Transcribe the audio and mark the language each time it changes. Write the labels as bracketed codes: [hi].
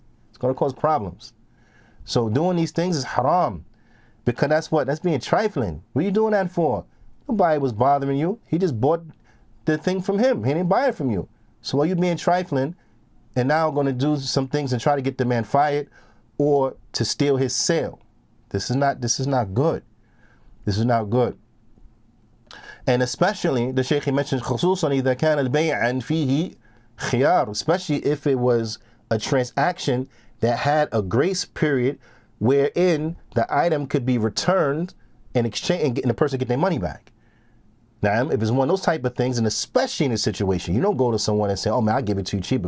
[en] It's going to cause problems. So doing these things is haram, because that's what? That's being trifling. What are you doing that for? Nobody was bothering you. He just bought the thing from him. He didn't buy it from you. So while you being trifling and now going to do some things and try to get the man fired or to steal his sale. This is not good. This is not good. And especially, the Shaykh mentions, [ar] خصوصاً إذا كان البيع فيه خيار. [en] Especially if it was a transaction that had a grace period wherein the item could be returned and exchange, and the person get their money back. Now, if it's one of those type of things, and especially in a situation, you don't go to someone and say, oh man, I'll give it to you cheaper.